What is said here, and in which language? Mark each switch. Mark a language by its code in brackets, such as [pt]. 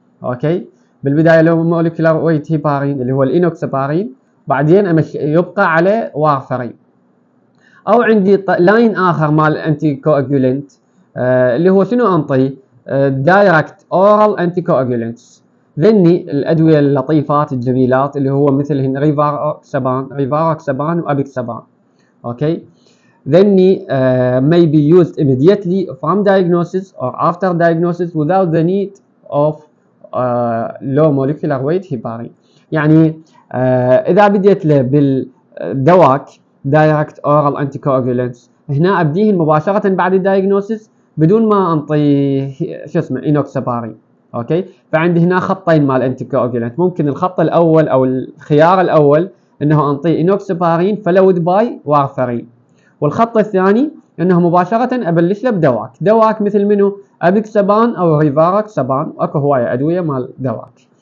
[ar] أوكي، بالبداية لو مولكيولار ويت هيبارين اللي هو الإنوكسابارين، بعدين يبقى على وارفارين، أو عندي لاين آخر مال أنتي كوأجولنت اللي هو شنو أنطيه؟ [en] direct oral anticoagulants, [ar] ذني الادويه اللطيفات الجميلات اللي هو مثل ريفاروكسابان وابيكسابان. اوكي ذني [en] may be used immediately from diagnosis or after diagnosis without the need of low molecular weight heparin. [ar] يعني اذا بديت له بالدواك [en] direct oral anticoagulants [ar] هنا ابديه مباشره بعد الدايجنوسيس بدون ما انطي شو اسمه انوكسابارين. اوكي فعندي هنا خطين مال انتيكوجولانت، ممكن الخط الاول او الخيار الاول انه انطي انوكسابارين فلود باي وارفارين، والخط الثاني انه مباشره ابلش له بدواك، دواك مثل منو؟ ابيكسابان او ريفاروكسابان، اكو هوايه ادويه مال دواك.